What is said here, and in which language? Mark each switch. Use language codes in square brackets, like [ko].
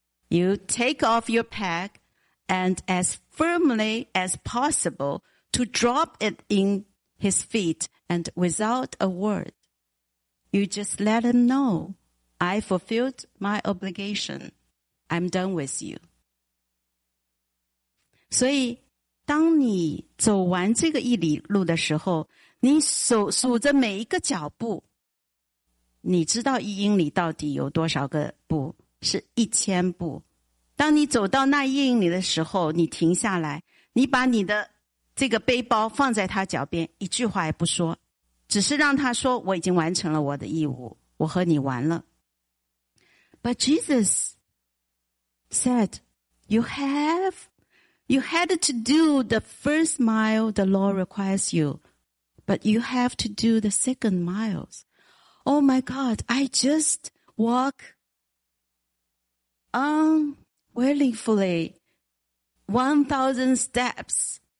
[en] You take off your pack and as firmly as possible to drop it in his feet and without a word. You just let him know, I fulfilled my obligation. I'm done with you. [zh] 所以当你走完这个一里路的时候你数着每一个脚步，你知道一英里到底有多少个步？是1000步。当你走到那一英里的时候，你停下来，你把你的这个背包放在他脚边，一句话也不说，只是让他说：“我已经完成了我的义务，我和你完了。” [en] But Jesus said, "You had to do the first mile the law requires you." But you have to do the second miles. Oh my God, I just walk unwillingly 1,000 steps.